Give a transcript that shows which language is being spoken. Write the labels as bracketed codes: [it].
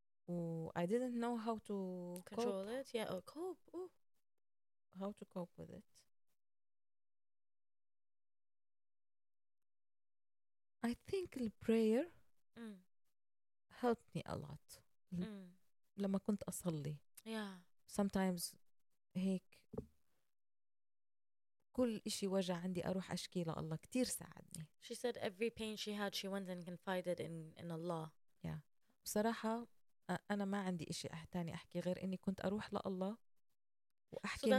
[en] Ooh, I didn't know how to control cope. It. Yeah, or cope. Ooh. How to cope with it. I think the prayer helped me a lot. [ar] لما كنت أصلي. [en] Yeah. Sometimes, [ar] هيك كل إشي وجع عندي أروح أشكي لله كتير ساعدني. [en] She said every pain she had, she went and confided in Allah. Yeah. [ar] بصراحة أنا ما عندي إشي أحتاني أحكي غير إني كنت أروح لالله وأحكي معه.